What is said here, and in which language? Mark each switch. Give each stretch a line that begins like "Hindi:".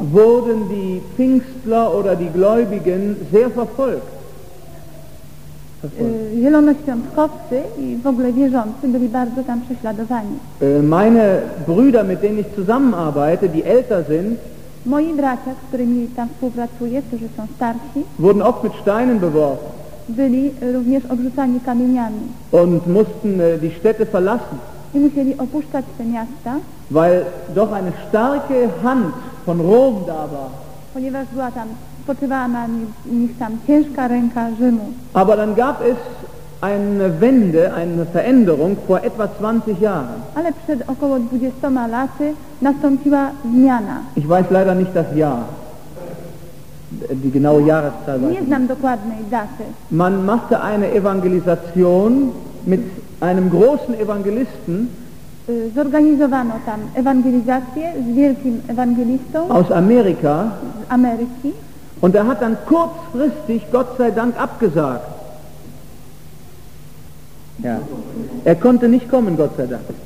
German: Wurden die Pfingstler oder die Gläubigen sehr verfolgt.
Polish: Zielonoświątkowcy i w ogóle wierzący byli bardzo tam prześladowani.
German: Meine Brüder, mit denen ich zusammenarbeite, die älter sind,
Polish: moi bracia, z którymi tam współpracuję, którzy są starsi,
German: wurden oft mit Steinen beworfen.
Polish: Byli również obrzucani kamieniami.
German: Und mussten die Städte verlassen.
Polish: I musieli opuszczać te miasta.
German: Weil doch eine starke Hand von Rom da war.
Polish: Ponieważ była tam, spoczywała na nich tam ciężka ręka Rzymu.
German: Aber dann gab es eine Wende, eine Veränderung vor etwa 20 Jahren.
Polish: Ale przed około 20 laty nastąpiła zmiana.
German: Ich weiß leider nicht das Jahr. Die genaue Jahreszahl.
Polish: Nie znam dokładnej daty.
German: Man machte eine Evangelisation mit einem großen Evangelisten.
Polish: Zorganizowano tam ewangelizację z wielkim ewangelistą.
German: Aus Amerika.
Polish: Z Ameryki.
German: Und hat dann kurzfristig, Gott sei Dank, abgesagt. Ja. Konnte nicht kommen, Gott sei Dank.